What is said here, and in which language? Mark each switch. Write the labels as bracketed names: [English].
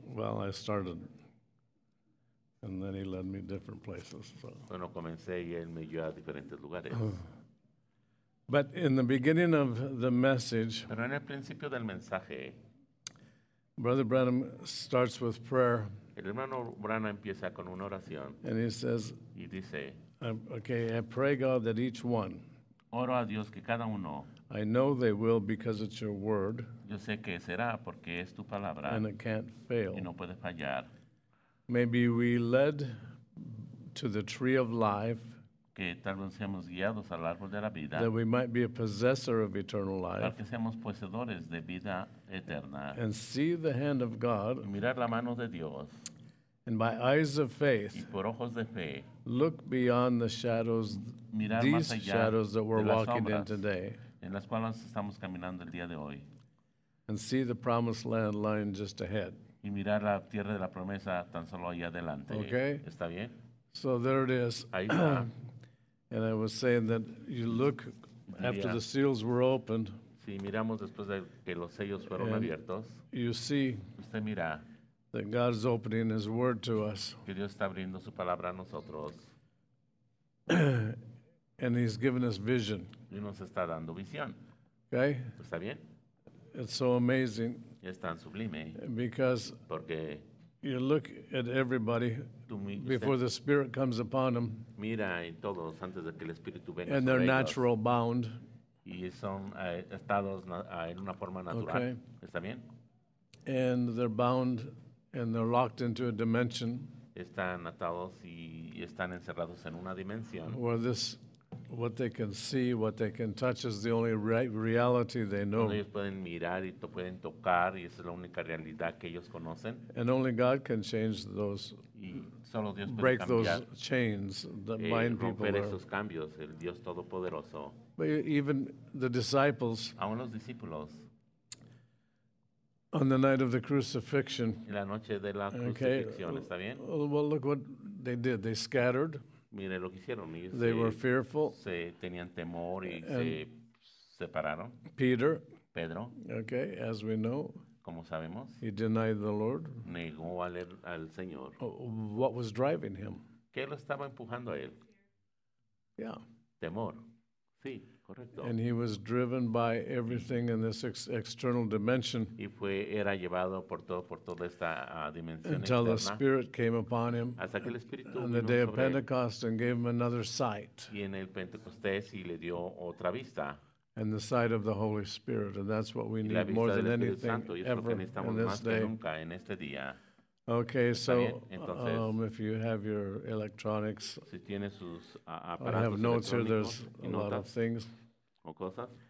[English] Well, I started, and then he led me different places. So. [Spanish] Bueno, comencé y él me llevó a diferentes lugares. [English] But in the beginning of the message, [Spanish] pero en el principio del mensaje, [English] Brother Branham starts with prayer. [Spanish] El hermano Branham empieza con una oración. [English] And he says, [Spanish] y dice, [English] I pray God that each one, [Spanish] oro a Dios que cada uno, [English] I know they will because it's your word. [Spanish] Yo sé que será porque es tu palabra. [English] And it can't fail. [Spanish] Y no puede fallar. [English] Maybe we led to the tree of life. [Spanish] Que tal vez seamos guiados al árbol de la vida. [English] That we might be a possessor of eternal life. [Spanish] Para que seamos poseedores de vida eterna. [English] And see the hand of God. [Spanish] Y mirar la mano de Dios. [English] And by eyes of faith. [Spanish] Y por ojos de fe. [English] Look beyond the shadows. [Spanish] Mirar [English] these [Spanish] más allá [English] shadows that we're [Spanish] de las [English] walking [Spanish] sombras [English] in today. [Spanish] En las cuales estamos caminando el día de hoy. [English] And see the promised land lying just ahead. [Spanish] Y mirar la tierra de la promesa tan solo allá adelante. [English] Okay. [Spanish] ¿Está bien? [English] So there it is. [Spanish] Ahí está. [English] And I was saying that you look after the seals were opened. [Spanish] Si miramos después de que los sellos fueron abiertos. [English] You see. [Spanish] Usted mira. [English] That God is opening His Word to us. [Spanish] Que Dios está abriendo su palabra a nosotros. [English] And He's given us vision. [Spanish] Y nos está dando visión. [English] Okay. [Spanish] Está bien. [English] It's so amazing. [Spanish] Es tan sublime. [English] Because. [Spanish] Porque. [English] You look at everybody before the Spirit comes upon them. [Spanish] Mira en todos antes de que el Espíritu venga. [English] And they're natural bound. [Spanish] Y son estados en una forma natural. [English] Okay. [Spanish] Está bien. [English] And they're bound and they're locked into a dimension. [Spanish] Están atados y están encerrados en una dimensión. [English] Where this, what they can see, what they can touch is the only reality they know. [Spanish] Ellos pueden mirar y pueden tocar y esa es la única realidad que ellos conocen. [English] And only God can change those, [Spanish] y solo Dios puede [English] break [Spanish] cambiar [English] those chains that bind people. [Spanish] Romper esos cambios, el Dios Todopoderoso. [English] But even the disciples, [Spanish] aún los discípulos, [English] on the night of the crucifixion, [Spanish] en la noche de la crucifixión, [English] okay, [Spanish] ¿está bien? [English] Well, look what they did. They scattered. [Spanish] Mire lo que hicieron. [English] They were fearful. [Spanish] Se tenían temor y se separaron. [English] Peter. [Spanish] Pedro. [English] Okay, as we know. [Spanish] Como sabemos. [English] He denied the Lord. [Spanish] Negó al Señor. [English] What was driving him? [Spanish] ¿Qué lo estaba empujando a él? [English] Yeah. [Spanish] Temor. Sí, correcto. [English] And he was driven by everything in this external dimension. [Spanish] Y fue, era llevado por toda esta dimensión [English] until Until the Spirit came upon him. [Spanish] Hasta que el Espíritu [English] on the day of Pentecost [Spanish] él. [English] And gave him another sight. [Spanish] Y en el Pentecostés y le dio otra vista. [English] And the sight of the Holy Spirit, and that's what we [Spanish] y [English] need more than [Spanish] Espíritu [English] anything [Spanish] Santo, [English] ever [Spanish] lo que necesitamos [English] in this [Spanish] más [English] day. [Spanish] Que nunca en este día. [English] Okay, so [Spanish] entonces, [English] if you have your electronics, [Spanish] si tiene sus [English] aparatos, I have notes here, there's a lot of things. [Spanish] O cosas.